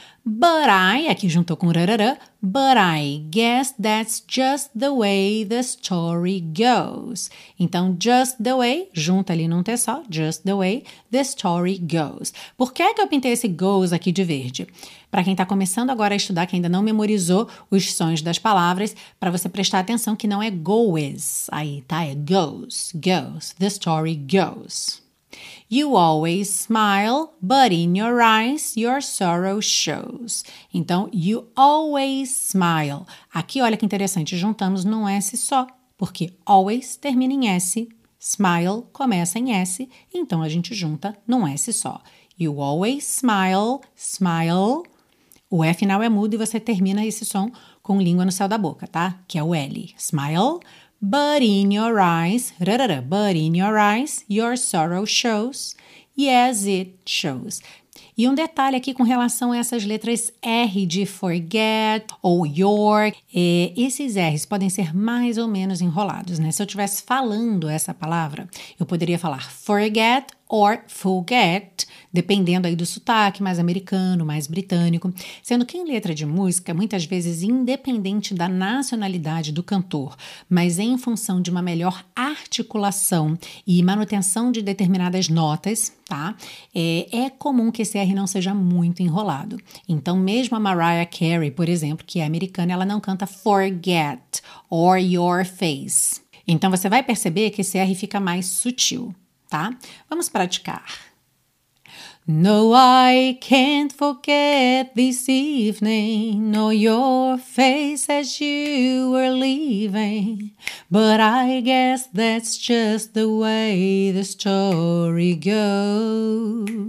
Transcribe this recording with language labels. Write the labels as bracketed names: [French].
[English] But I, [Portuguese] aqui juntou com rarara, [English] but I guess that's just the way the story goes. Então, just the way, [Portuguese] junta ali num T só, [English] just the way the story goes. [Portuguese] Por que é que eu pintei esse goes aqui de verde? Para quem está começando agora a estudar, que ainda não memorizou os sons das palavras, para você prestar atenção que não é goes aí, tá? [English] É goes, goes, the story goes. You always smile, but in your eyes, your sorrow shows. Então, you always smile. [Portuguese] Aqui, olha que interessante, juntamos num S só, porque always termina em S, smile começa em S, então a gente junta num S só. [English] You always smile, smile. [Portuguese] O E final é mudo e você termina esse som com língua no céu da boca, tá? Que é o L. Smile. [English] But in your eyes, rarara, but in your eyes, your sorrow shows. Yes, it shows. [Portuguese] E um detalhe aqui com relação a essas letras R de forget ou your. Esses R's podem ser mais ou menos enrolados, né? Se eu estivesse falando essa palavra, eu poderia falar forget or forget, dependendo aí do sotaque mais americano, mais britânico. Sendo que em letra de música, muitas vezes independente da nacionalidade do cantor, mas em função de uma melhor articulação e manutenção de determinadas notas, tá? É comum que esse R não seja muito enrolado. Então, mesmo a Mariah Carey, por exemplo, que é americana, ela não canta [English] forget or your face. [Portuguese] Então, você vai perceber que esse R fica mais sutil, tá? Vamos praticar. [English] No, I can't forget this evening, no, your face as you were leaving. But I guess that's just the way the story goes.